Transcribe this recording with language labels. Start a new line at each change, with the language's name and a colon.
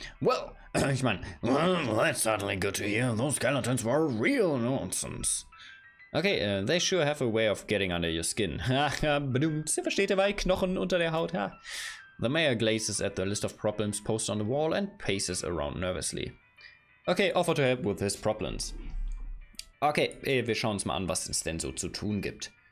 English: Well,
German: ich meine,
English: well, that's certainly good to hear. Those skeletons were real nonsense. Okay, they sure have a way of getting under your skin.
German: Haha, bedummt. Versteht ihr, weil Knochen unter der Haut, ha?
English: The mayor glances at the list of problems posted on the wall and paces around nervously. Okay, offer to help with his problems.
German: Okay, wir schauen uns mal an, was es denn so zu tun gibt.